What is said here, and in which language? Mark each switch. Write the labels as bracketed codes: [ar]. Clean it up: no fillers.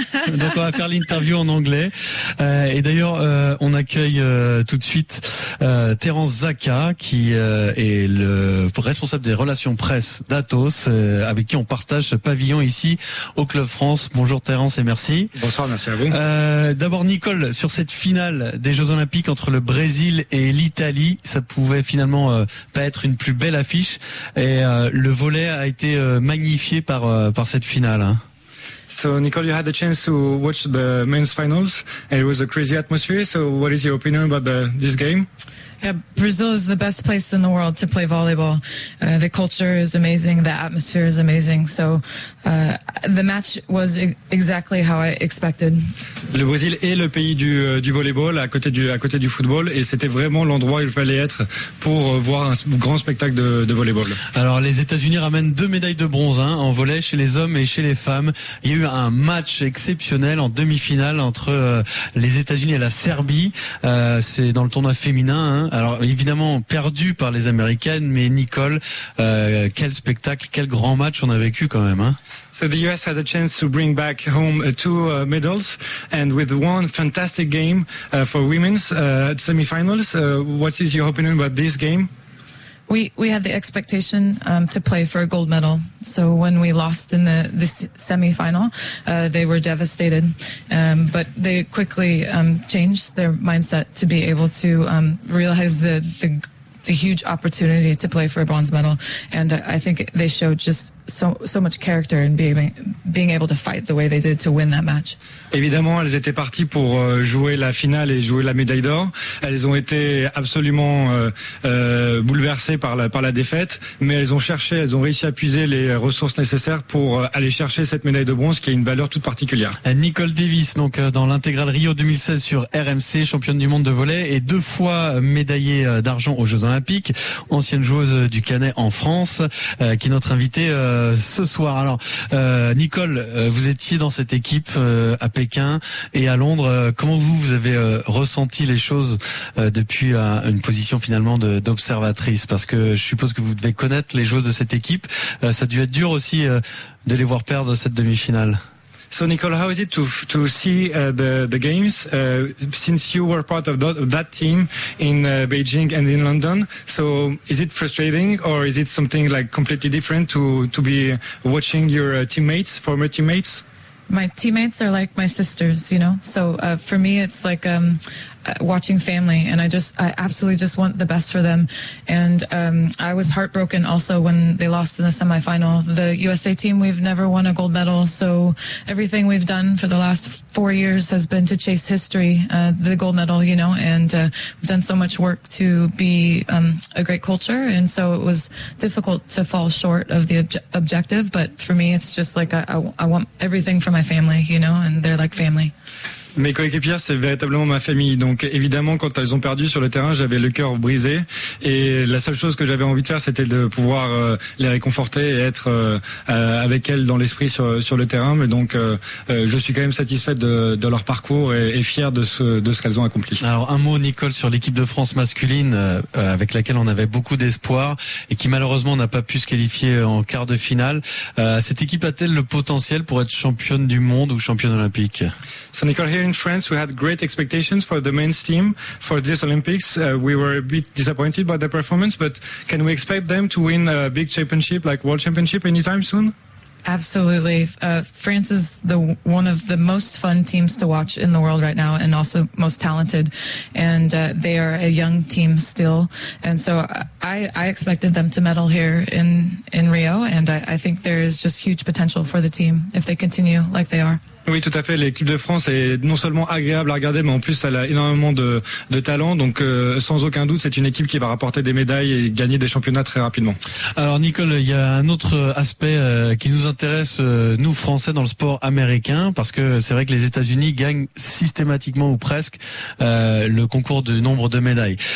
[fr] Donc on va faire l'interview en anglais. Et d'ailleurs, on accueille tout de suite Terence Zaka, qui est le responsable des relations presse d'Atos, avec qui on partage ce pavillon ici au Club France. Bonjour Terence et merci. Bonsoir, merci à vous. D'abord, Nicole, sur cette finale des Jeux Olympiques entre le Brésil et l'Italie, ça pouvait finalement pas être une plus belle affiche. Et le volley a été magnifié par cette finale. [en] So, Nicole, you had the chance to watch the men's finals, and it was a crazy atmosphere. So, what is your opinion about this game? Yeah, Brazil is the best place in the world to play volleyball. The culture is amazing. The atmosphere is amazing. So, the match was exactly how I expected. [fr] Le Brésil est le pays du volleyball à côté du football, et c'était vraiment l'endroit où il fallait être pour voir un grand spectacle de volleyball. Alors, les États-Unis ramènent 2 médailles de bronze, hein, en volley chez les hommes et chez les femmes. Il y a eu un match exceptionnel en demi-finale entre les États-Unis et la Serbie. C'est dans le tournoi féminin, hein. Alors évidemment perdu par les Américaines, mais Nicole, quel spectacle, quel grand match on a vécu quand même, hein. [en] So the US had a chance to bring back home 2 medals, and with one fantastic game for women's semifinals. What is your opinion about this game? We had the expectation to play for a gold medal. So when we lost in the semifinal, they were devastated. But they quickly changed their mindset to be able to realize the huge opportunity to play for a bronze medal. And I think they showed just so much character in being able to fight the way they did to win that match. [fr] Évidemment, elles étaient parties pour jouer la finale et jouer la médaille d'or. Elles ont été absolument bouleversées par la défaite, mais elles ont réussi à puiser les ressources nécessaires pour aller chercher cette médaille de bronze qui a une valeur toute particulière. Nicole Davis, donc, dans l'intégrale Rio 2016 sur RMC, championne du monde de volley et 2 fois médaillée d'argent aux Jeux Olympiques, ancienne joueuse du Canet en France, qui est notre invitée ce soir. Alors, Nicole, vous étiez dans cette équipe à Pékin et à Londres. Comment vous avez ressenti les choses depuis une position finalement d'observatrice? Parce que je suppose que vous devez connaître les joueuses de cette équipe. Ça a dû être dur aussi de les voir perdre cette demi-finale. [en] So, Nicole, how is it to see the games since you were part of that team in Beijing and in London? So, is it frustrating or is it something like completely different to be watching your teammates, former teammates? My teammates are like my sisters, you know. So, for me, it's like watching family, and I absolutely just want the best for them. And I was heartbroken also when they lost in the semifinal. The USA team, we've never won a gold medal, so everything we've done for the last 4 years has been to chase history, the gold medal, you know, and we've done so much work to be a great culture, and so it was difficult to fall short of the objective, but for me, it's just like I want everything for my family, you know, and they're like family. [fr] Mes coéquipières, c'est véritablement ma famille. Donc évidemment, quand elles ont perdu sur le terrain, j'avais le cœur brisé. Et la seule chose que j'avais envie de faire, c'était de pouvoir les réconforter et être avec elles dans l'esprit sur le terrain. Mais donc, je suis quand même satisfait de leur parcours et fier de ce qu'elles ont accompli. Alors un mot, Nicole, sur l'équipe de France masculine avec laquelle on avait beaucoup d'espoir et qui malheureusement n'a pas pu se qualifier en quart de finale. Cette équipe a-t-elle le potentiel pour être championne du monde ou championne olympique ? [en] So, Nicole, here in France, we had great expectations for the men's team for this Olympics. We were a bit disappointed by their performance, but can we expect them to win a big championship, like world championship, anytime soon? Absolutely. France is one of the most fun teams to watch in the world right now, and also most talented. And they are a young team still. And so I expected them to medal here in Rio, and I think there is just huge potential for the team if they continue like they are. [fr] Oui, tout à fait. L'équipe de France est non seulement agréable à regarder, mais en plus, elle a énormément de talent. Donc, sans aucun doute, c'est une équipe qui va rapporter des médailles et gagner des championnats très rapidement. Alors, Nicole, il y a un autre aspect qui nous intéresse, nous, Français, dans le sport américain, parce que c'est vrai que les États-Unis gagnent systématiquement ou presque le concours de nombre de médailles.